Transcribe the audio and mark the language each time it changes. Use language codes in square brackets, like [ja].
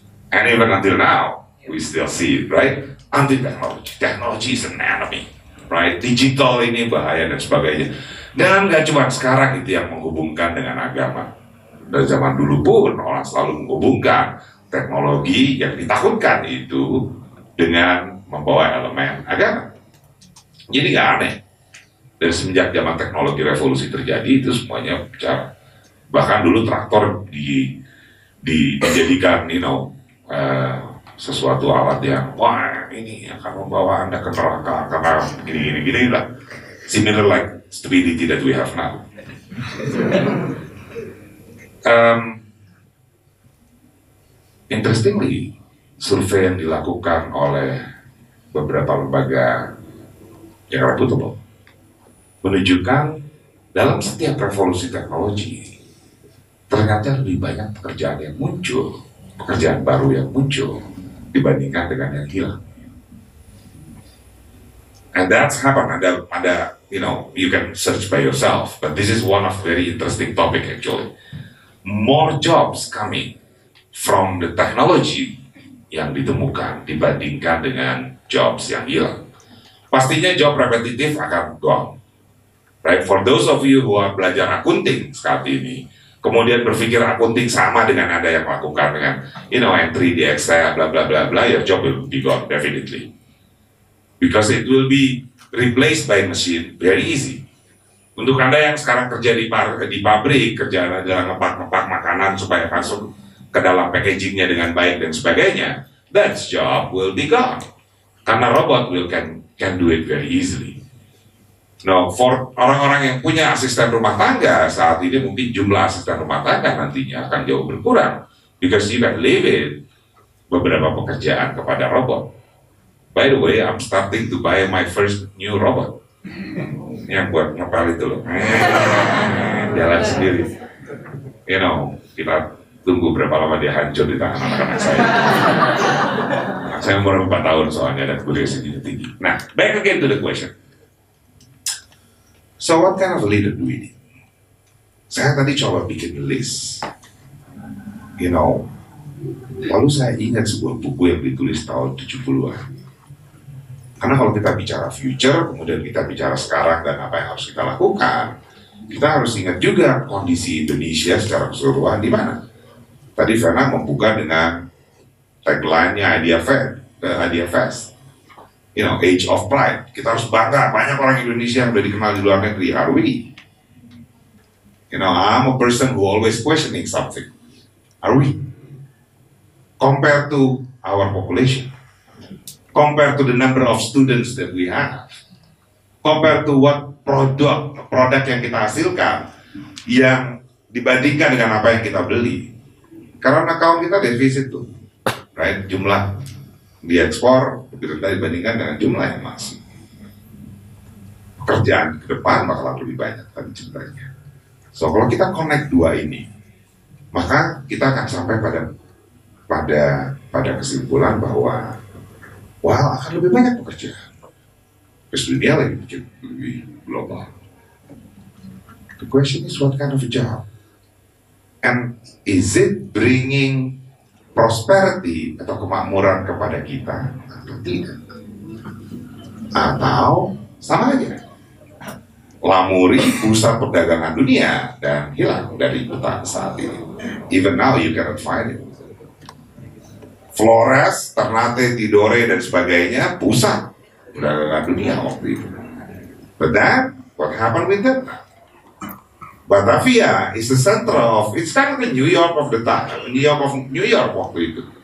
[en] And even until now, we still see it, right? Anti-technology. Technology is an enemy, right? [id] Digital ini bahaya dan sebagainya. Dan nggak cuma sekarang itu yang menghubungkan dengan agama. Dari zaman dulu pun, orang selalu menghubungkan teknologi yang ditakutkan itu dengan membawa elemen agama. Jadi nggak aneh. Dari semenjak zaman teknologi revolusi terjadi, itu semuanya bicara. Bahkan dulu traktor dijadikan, [en] you know, [id] sesuatu alat yang, wah, ini akan membawa Anda ke neraka, karena gini lah. [en] Similar like stupidity that we have now. [id] Interestingly, survei yang dilakukan oleh beberapa lembaga yang reputable menunjukkan dalam setiap revolusi teknologi ternyata lebih banyak pekerjaan yang muncul, pekerjaan baru yang muncul dibandingkan dengan yang hilang. [en] And that's happened. Ada, you know, you can search by yourself, but this is one of very interesting topic actually. More jobs coming from the technology [id] yang ditemukan dibandingkan dengan [en] jobs yang hilang. [id] Pastinya job repetitif akan [en] gone. Right, for those of you who are belajar accounting [id] saat ini, kemudian berpikir accounting sama dengan Anda yang melakukan dengan, [en] you know, entry di Excel, bla bla bla bla, your job will be gone, definitely. Because it will be replaced by machine, very easy. [id] Untuk Anda yang sekarang kerja di pabrik, kerjaan adalah ngepak-ngepak makanan supaya masuk ke dalam packagingnya dengan baik dan sebagainya, [en] that job will be gone. [id] Karena [en] robot can do it very easily. [id] No, for orang-orang yang punya asisten rumah tangga, saat ini mungkin jumlah asisten rumah tangga nantinya akan jauh berkurang. [en] Because you can leave it [id] beberapa pekerjaan kepada robot. [en] By the way, I'm starting to buy my first new robot. [id] Yang buat ngepel itu loh. Jalan sendiri. [en] You know, [id] kita tunggu berapa lama dia hancur di tangan anak-anak saya. Saya umur 4 tahun soalnya dan kuliah segini tinggi. [en] Nah, back again to the question. So what kind of leader do we need? [id] Saya tadi coba bikin list. You know, lalu saya ingat sebuah buku yang ditulis tahun 70-an. Karena kalau kita bicara future, kemudian kita bicara sekarang dan apa yang harus kita lakukan, kita harus ingat juga kondisi Indonesia secara keseluruhan di mana. Tadi Vena membuka dengan tagline-nya Idea Fest. [en] you know, age of pride. [id] Kita harus bangga, banyak orang Indonesia yang sudah dikenal di luar negeri, [en] are we? You know, I'm a person who always questioning something. Are we? Compared to our population, compared to the number of students that we have, compared to what product [id] yang kita hasilkan, yang dibandingkan dengan apa yang kita beli. Karena account kita defisit tuh, right? Jumlah di ekspor lebih rendah dibandingkan dengan jumlah yang masuk. Pekerjaan ke depan bakal lebih banyak tadi jumlahnya. So kalau kita connect dua ini, maka kita akan sampai pada kesimpulan bahwa wow, akan lebih banyak pekerja. Terus dunia lebih global. [en] The question is what kind of a job? And is it bringing prosperity [id] atau kemakmuran kepada kita atau tidak? Atau sama aja, lamuri pusat perdagangan dunia dan hilang dari peta saat ini. [en] Even now you cannot find it. Flores, Ternate, Tidore [id] dan sebagainya pusat perdagangan dunia waktu itu. [en] But then, what happened with that? Batavia is the center of, it's kind of the New York of the time, New York of New York [id] waktu itu.